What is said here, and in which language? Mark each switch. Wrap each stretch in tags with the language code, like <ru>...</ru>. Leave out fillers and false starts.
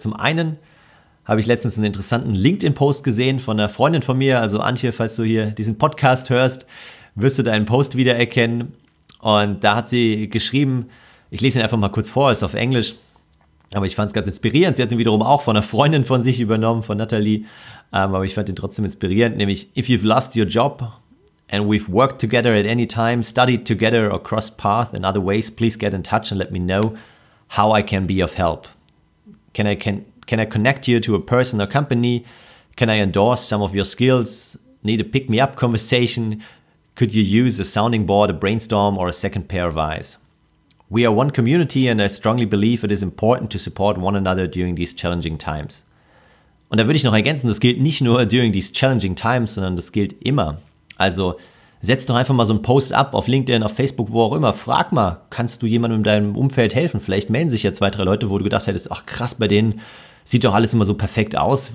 <de>Zum einen habe ich letztens einen interessanten LinkedIn-Post gesehen von einer Freundin von mir. Also Antje, falls du hier diesen Podcast hörst, wirst du deinen Post wiedererkennen. Und da hat sie geschrieben, ich lese ihn einfach mal kurz vor, ist auf Englisch, aber ich fand es ganz inspirierend. Sie hat ihn wiederum auch von einer Freundin von sich übernommen, von Nathalie. Aber ich fand ihn trotzdem inspirierend, nämlich</de> <en>if you've lost your job and we've worked together at any time, studied together or crossed paths in other ways, please get in touch and let me know how I can be of help. Can I connect you to a person or company? Can I endorse some of your skills? Need a pick-me-up conversation? Could you use a sounding board, a brainstorm, or a second pair of eyes? We are one community and I strongly believe it is important to support one another during these challenging times.</en> <de>Und da würde ich noch ergänzen, das gilt nicht nur</de> <en>during these challenging times,</en> <de>sondern das gilt immer. Also setz doch einfach mal so einen Post ab auf LinkedIn, auf Facebook, wo auch immer. Frag mal, kannst du jemandem in deinem Umfeld helfen? Vielleicht melden sich ja 2, 3 Leute, wo du gedacht hättest, ach krass, bei denen sieht doch alles immer so perfekt aus.</de>